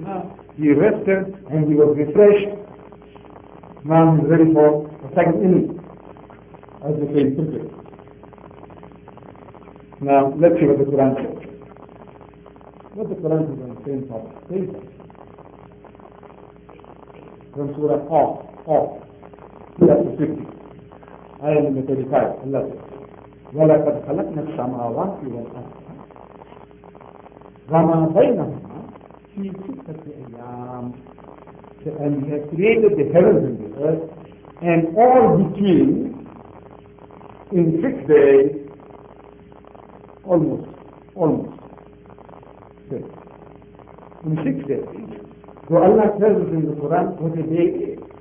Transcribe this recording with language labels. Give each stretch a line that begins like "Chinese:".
English: Now he rested and he was refreshed. Now he is ready for the second inning, as they say in cricket. Now, let's see what the Quran says. What the Quran says on the same topic? Same topic. From Surah Qaf, chapter 50, ayah number 35, Allah says,
Arabic: وَلَقَدْ خَلَقْنَا السَّمَاوَاتِ وَالْأَرْضَ وَمَا بَيْنَهُمَا فِي سِتَّةِ أَيَّامٍ.
English: And we have created the heavens and the earth and all between in 6 days, almost. In 6 days. So Allah tells us in the Quran what a day is.